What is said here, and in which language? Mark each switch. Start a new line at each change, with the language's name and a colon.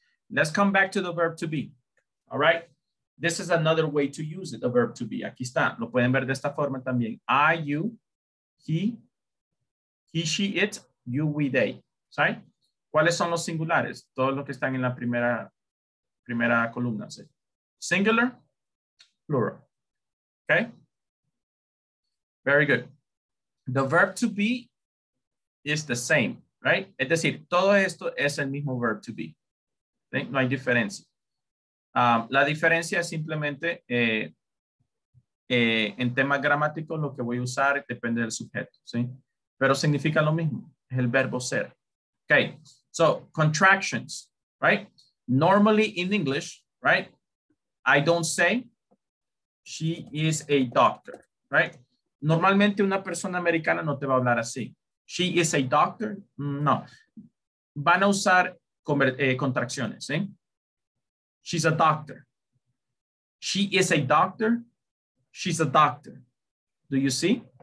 English: Let's come back to the verb to be. All right. This is another way to use it, the verb to be.
Spanish: Aquí está. Lo pueden ver de esta forma también.
English: I, you, he, she, it, you, we, they.
Spanish: ¿Sí? ¿Cuáles son los singulares? Todos los que están en la primera columna.
English: ¿Sí? Singular, plural. Okay. Very good. The verb to be is the same, right?
Spanish: Es decir, todo esto es el mismo verb to be. ¿Sí? No hay diferencia. La diferencia es simplemente en tema gramático lo que voy a usar depende del sujeto, ¿sí? Pero significa lo mismo, es el verbo ser.
English: Okay, so contractions, right? Normally in English, right? I don't say she is a doctor, right?
Spanish: Normalmente una persona americana no te va a hablar así.
English: She is a doctor? No.
Spanish: Van a usar contracciones, ¿sí?
English: She's a doctor. She is a doctor. She's a doctor. Do you see?